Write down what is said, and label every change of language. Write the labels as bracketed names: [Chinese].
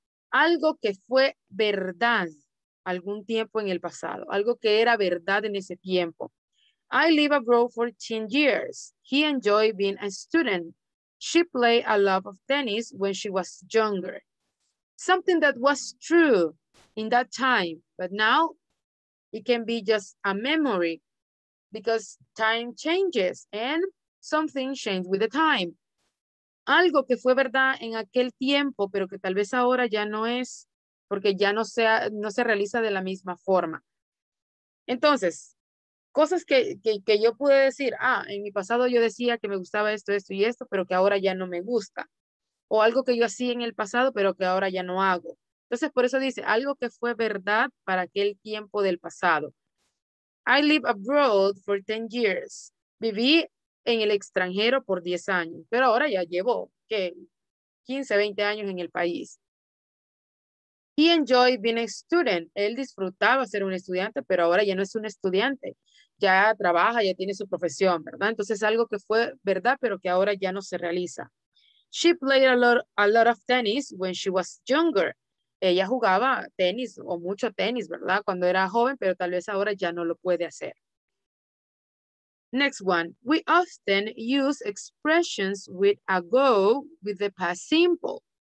[Spanish] Algo que fue verdad algún tiempo en el pasado, algo que era verdad en ese tiempo. [English] I live abroad for 10 years. He enjoyed being a student. She played a lot of tennis when she was younger. Something that was true in that time, but now it can be just a memory because time changes and something changed with the time. [Spanish] Algo que fue verdad en aquel tiempo, pero que tal vez ahora ya no es, porque ya no se realiza de la misma forma. Entonces, cosas que yo pude decir, en mi pasado yo decía que me gustaba esto, esto y esto, pero que ahora ya no me gusta. O algo que yo hacía en el pasado, pero que ahora ya no hago. Entonces, por eso dice, algo que fue verdad para aquel tiempo del pasado. [English] I live abroad for 10 years. [Spanish] Viví en el extranjero por 10 años. Pero ahora ya llevo, ¿qué? 15, 20 años en el país. [English] He enjoyed being a student. [Spanish] Él disfrutaba ser un estudiante, pero ahora ya no es un estudiante. Ya trabaja, ya tiene su profesión, ¿verdad? Entonces, algo que fue verdad, pero que ahora ya no se realiza. [English] She played a lot of tennis when she was younger. [Spanish] ella jugaba tenis o mucho tenis, ¿verdad? Cuando era joven, pero tal vez ahora ya no lo puede hacer. [English] Next one. We often use expressions with ago with the past simple.